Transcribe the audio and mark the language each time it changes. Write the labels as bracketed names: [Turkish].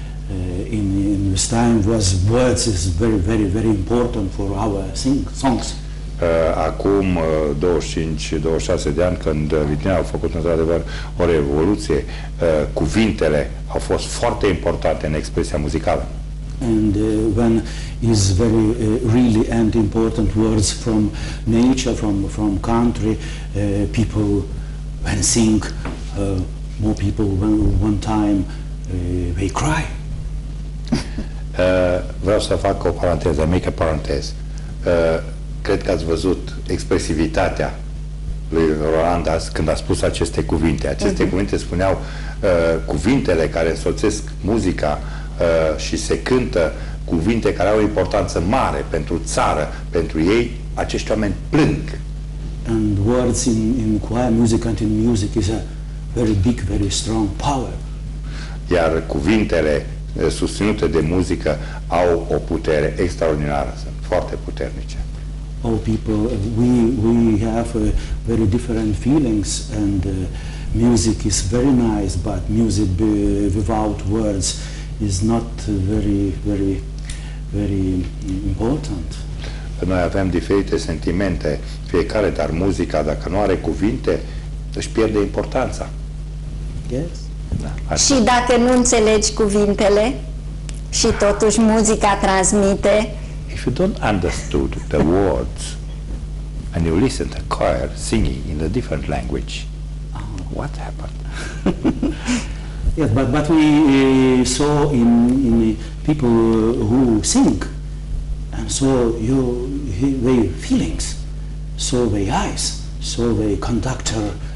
[English] In this time was words is very, very, very important for our songs. [Romanian] Acum 25-26 de ani, când Litvinia a făcut într-adevăr o revoluție, cuvintele au fost foarte importante în expresia muzicală. [English] And when is very really and important words from nature, from country, people when sing, more people when one time they cry. [Romanian] Vreau să fac o paranteză, [English] make a parenthesis. [Romanian] Cred că ați văzut expresivitatea lui Rolandas când a spus aceste cuvinte. Aceste cuvinte spuneau cuvintele care însoțesc muzica și se cântă, cuvinte care au o importanță mare pentru țară, pentru ei, acești oameni plâng. [English] And words in choir music and in music is a very big, very strong power. [Romanian] Iar cuvintele susținute de muzică au o putere extraordinară, sunt foarte puternice. [English] All people, we have very different feelings, and music is very nice, but music without words is not very, very, very important. [Romanian] Noi avem diferite sentimente, fiecare, dar muzica, dacă nu are cuvinte, își pierde importanța. [English] Yes. [Romanian] Da. Și dacă nu înțelegi cuvintele și totuși muzica transmite... [English] If you don't understood the words and you listen to choir singing in a different language, what happened? Yes, but we saw in the people who sing and saw their feelings, saw their eyes, saw their conductor.